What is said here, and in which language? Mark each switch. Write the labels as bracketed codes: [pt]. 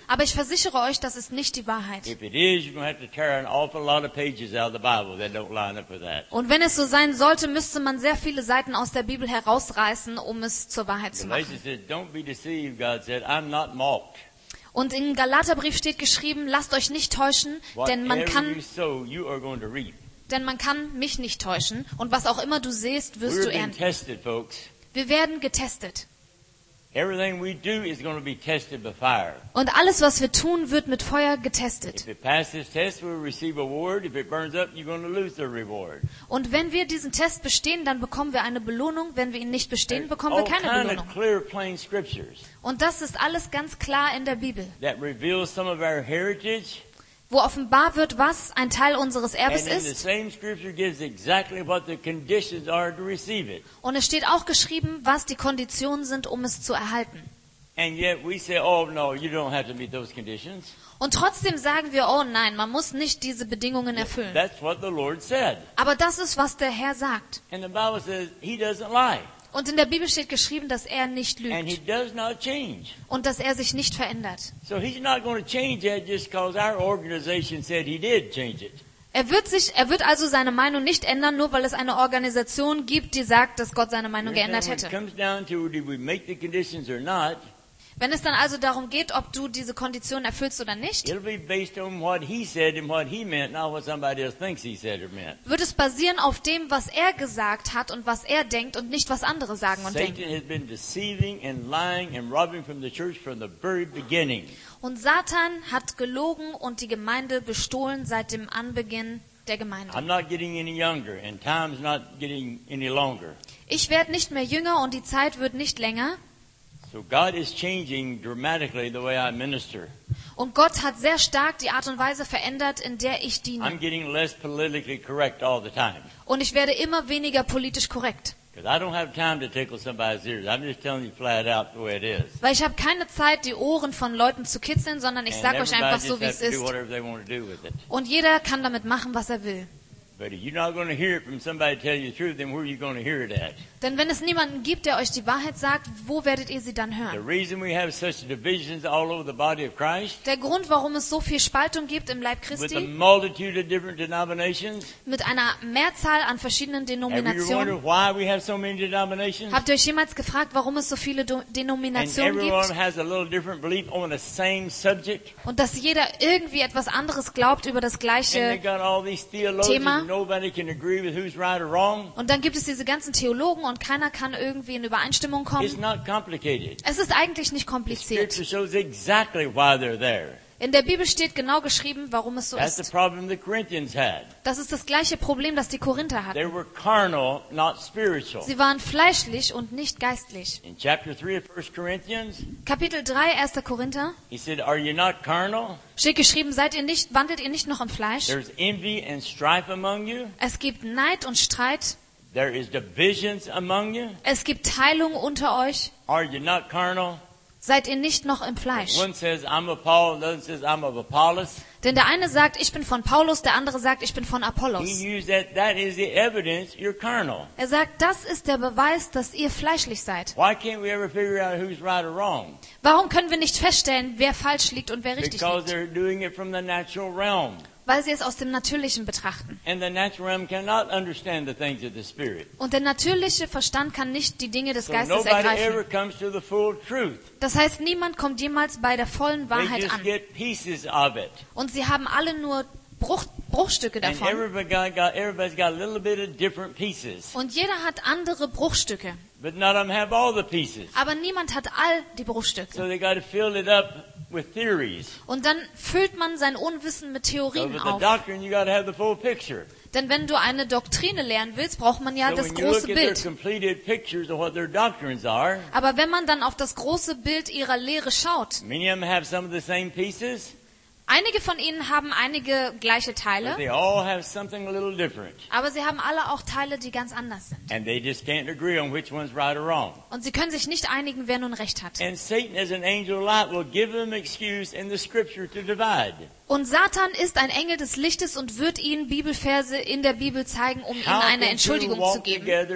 [de] Aber ich versichere euch, das ist nicht die Wahrheit. [en] If it is, you're going to have to tear an awful lot of pages out of the Bible that don't line up with that. [de] Und wenn es so sein sollte, müsste man sehr viele Seiten aus der Bibel herausreißen, um es zur Wahrheit zu machen. [en] Galatians says, "Don't be deceived." God said, "I'm not mocked." [de] Und im Galaterbrief steht geschrieben: Lasst euch nicht täuschen, denn man kann. [en] Whatever you sow, you are going to reap. [de] Denn man kann mich nicht täuschen, und was auch immer du sehst, wirst du ernten. [en] We're being tested, folks. [de] Wir werden getestet. [en] Everything we do is going to be tested by fire. [de] Und alles, was wir tun, wird mit Feuer getestet. [en] If it passes test, we'll receive a reward. If it burns up, you're going to lose the reward. [de] Und wenn wir diesen Test bestehen, dann bekommen wir eine Belohnung. Wenn wir ihn nicht bestehen, bekommen wir keine Belohnung. [en] All kind of clear, plain scriptures. [de] Und das ist alles ganz klar in der Bibel. [en] That reveals some of our heritage. [de] Wo offenbar wird, was ein Teil unseres Erbes ist. [en] The same scripture gives exactly what the conditions are to receive it. [de] Und es steht auch geschrieben, was die Konditionen sind, um es zu erhalten. [en] And yet we say, oh no, you don't have to meet those conditions. [de] Und trotzdem sagen wir, oh nein, man muss nicht diese Bedingungen erfüllen. [en] That's what the Lord said. [de] Aber das ist, was der Herr sagt. [en] And the Bible says, he doesn't lie. [de] Und in der Bibel steht geschrieben, dass er nicht lügt. [en] And he does not change. [de] Und dass er sich nicht verändert. [en] So he's not going to change that just because our organization said he did change it. [de] Er wird also seine Meinung nicht ändern, nur weil es eine Organisation gibt, die sagt, dass Gott seine Meinung geändert hätte. [en] It comes down to, did we make the conditions or not? [de] Wenn es dann also darum geht, ob du diese Konditionen erfüllst oder nicht, wird es basieren auf dem, was er gesagt hat und was er denkt und nicht, was andere sagen und denken. [en] Satan has been deceiving and lying and robbing from the church from the very beginning. [de] Und Satan hat gelogen und die Gemeinde bestohlen seit dem Anbeginn der Gemeinde. [en] I'm not getting any younger and time's not getting any longer. [de] Ich werde nicht mehr jünger und die Zeit wird nicht länger. [en] So God is changing dramatically the way I minister. [de] Und Gott hat sehr stark die Art und Weise verändert, in der ich diene. [en] I'm getting less politically correct all the time. [de] Und ich werde immer weniger politisch korrekt. [en] Because I don't have time to tickle somebody's ears. I'm just telling you flat out the way it is. [de] Weil ich habe keine Zeit, die Ohren von Leuten zu kitzeln, sondern ich sage euch einfach so, wie es ist. [en] Do whatever they want to do with it. [de] Und jeder kann damit machen, was er will. [en] But if you're not going to hear it from somebody tell you the truth, then where are you going to hear it at? [de] Denn wenn es niemanden gibt, der euch die Wahrheit sagt, wo werdet ihr sie dann hören? [en] The reason we have such divisions all over the body of Christ. [de] Der Grund, warum es so viel Spaltung gibt im Leib Christi. [en] With a multitude of different denominations. [de] Mit einer Mehrzahl an verschiedenen Denominationen. [en] Have you wondered why we have so many denominations? [de] Habt ihr euch jemals gefragt, warum es so viele Denominationen gibt? [en] And everyone has a little different belief on the same subject. [de] Und dass jeder irgendwie etwas anderes glaubt über das gleiche Thema. [en] Nobody can agree with who's right or wrong. [de] Und dann gibt es diese ganzen Theologen und keiner kann irgendwie in Übereinstimmung kommen. [en] It's not complicated. [de] Es ist eigentlich nicht kompliziert. [en] The Scripture shows exactly why they're there. [de] In der Bibel steht genau geschrieben, warum es so [en] That's [de] ist. [en] The problem the Corinthians had. [de] Das ist das gleiche Problem, das die Korinther hatten. [en] They were carnal, not spiritual. [de] Sie waren fleischlich und nicht geistlich. [en] In chapter 3 of 1 Corinthians, [de] Kapitel 3, 1. Korinther, [en] he said, are you not carnal? [de] Steht geschrieben, wandelt ihr nicht noch im Fleisch? [en] There's envy and strife among you. [de] Es gibt Neid und Streit. [en] There is divisions among you. [de] Es gibt Teilung unter euch. [en] Are you not carnal? [de] Seid ihr nicht noch im Fleisch? [en] One says, I'm of Paul, the other says, I'm of Apollos. [de] Denn der eine sagt, ich bin von Paulus, der andere sagt, ich bin von Apollos. [en] He used that is the evidence you're carnal. [de] Er sagt, das ist der Beweis, dass ihr fleischlich seid. [en] Why can't we ever figure out who's right or wrong? [de] Warum können wir nicht feststellen, wer falsch liegt und wer richtig [en] Because [de] liegt? [en] Because they're doing it from the natural realm. [de] Weil sie es aus dem Natürlichen betrachten. [en] And the natural realm cannot understand the things of the Spirit. [de] Und der natürliche Verstand kann nicht die Dinge des Geistes [en] so nobody [de] ergreifen. [en] Ever comes to the full truth. [de] Das heißt, niemand kommt jemals bei der vollen Wahrheit [en] They just [de] an. [en] Get pieces of it. [de] Und sie haben alle nur Bruchstücke davon. [en] And everybody's got a little bit of different pieces. [de] Und jeder hat andere Bruchstücke. [en] But none of them have all the pieces. [de] Aber niemand hat all die Bruchstücke. [en] So they got to fill it up with theories. [de] Und dann füllt man sein Unwissen mit Theorien [en] so [de] auf. [en] With the doctrine, you got to have the full picture. [de] Denn wenn du eine Doktrine lernen willst, braucht man ja das große Bild. Aber wenn man dann auf das große Bild ihrer Lehre schaut, [en] many of them have some of the same pieces. [de] Einige von ihnen haben einige gleiche Teile, [en] they all have something a little different. [de] Aber sie haben alle auch Teile, die ganz anders sind. [en] And they just can't agree on which one's right or wrong. [de] Und sie können sich nicht einigen, wer nun recht hat. [en] And Satan as an angel of light will give them excuse in the scripture to divide. [de] Und Satan ist ein Engel des Lichtes und wird ihnen Bibelverse in der Bibel zeigen, um ihnen eine Entschuldigung zu geben.